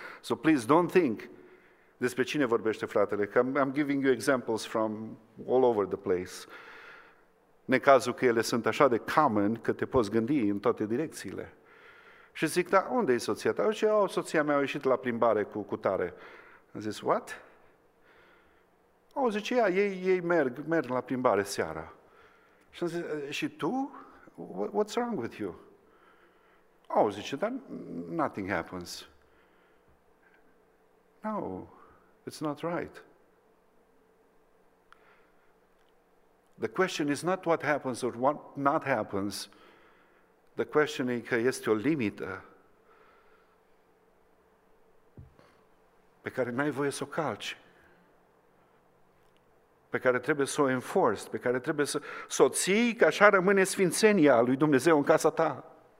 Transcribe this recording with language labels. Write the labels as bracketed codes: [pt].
[en] So please don't think [ro] despre cine vorbește fratele, că [en] I'm giving you examples from all over the place. [ro] Necazul că ele sunt așa de common că te poți gândi în toate direcțiile. Și zic, da, unde e soția ta? Zice, oh, soția mea a ieșit la plimbare cu tare. Am zis, what? Oh, zice, ia, ei merg la plimbare seara. Și am zis, și tu? [en] What's wrong with you? [ro] Oh, zice, dar [en] nothing happens. No, it's not right. The question is not what happens or what not happens. The question is [ro] că este o limită pe care n-ai voie să o calci, pe care trebuie să o enforce, pe care trebuie să o ții, că așa rămâne sfințenia lui Dumnezeu în casa ta.